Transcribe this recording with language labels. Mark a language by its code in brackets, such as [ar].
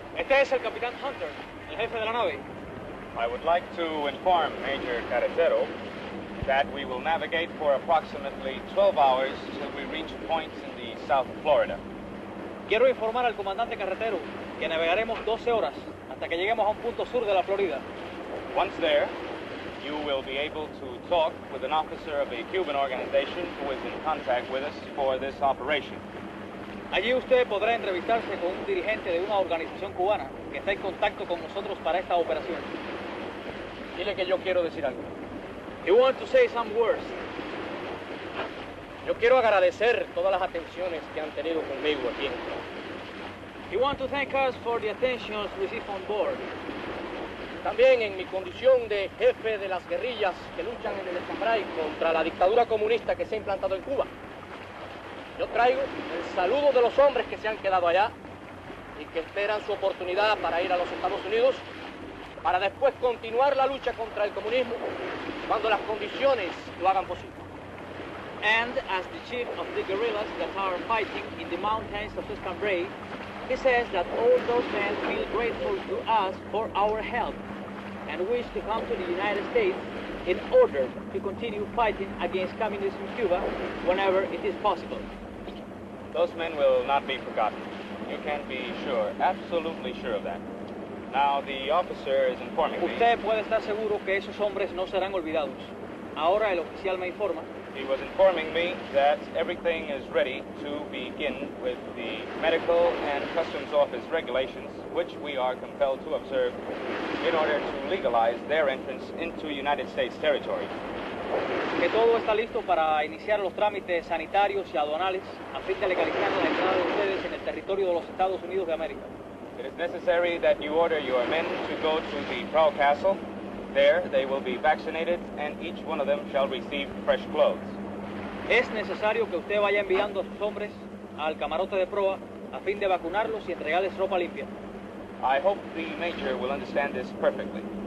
[es] Es el capitán Hunter, el jefe de la nave. [en] I would like to inform Major Carretero that we will navigate for approximately 12 hours till we reach points in the south of Florida. [es] Quiero informar al comandante Carretero que navegaremos 12 horas hasta que lleguemos a un punto sur de la Florida. [en] Once there, you will be able to talk with an officer of a Cuban organization who is in contact with us for this operation. [es] Allí usted podrá entrevistarse con un dirigente de una organización cubana que está en contacto con nosotros para esta operación. Dile que yo quiero decir algo. [en] He wants to say some words. [es] Yo quiero agradecer todas las atenciones que han tenido conmigo aquí. [en] He wants to thank us for the attentions received on board. [es] También en mi condición de jefe de las guerrillas que luchan en el Escambray contra la dictadura comunista que se ha implantado en Cuba. Yo traigo el saludo de los hombres que se han quedado allá y que esperan su oportunidad para ir a los Estados Unidos para después continuar la lucha contra el comunismo cuando las condiciones lo hagan posible. [en] And as the chief of the guerrillas that are fighting in the mountains of Escambray, he says that all those men feel grateful to us for our help and wish to come to the United States in order to continue fighting against communism in Cuba whenever it is possible. Those men will not be forgotten. You can be sure, absolutely sure of that. Now the officer is informing me. [es] Usted puede estar seguro que esos hombres no serán olvidados. Ahora el oficial me informa. [en] He was informing me that everything is ready to begin with the medical and customs office regulations, which we are compelled to observe in order to legalize their entrance into United States territory. [es] Que todo está listo para iniciar los trámites sanitarios y aduanales a fin de legalizar la entrada de ustedes en el territorio. territorio de los Estados Unidos de América. [en] It is necessary that you order your men to go to the Proud Castle. There they will be vaccinated and each one of them shall receive fresh clothes. [es] Es necesario que usted vaya enviando a sus hombres al camarote de proa a fin de vacunarlos y entregarles ropa limpia. [en] I hope the Major will understand this perfectly.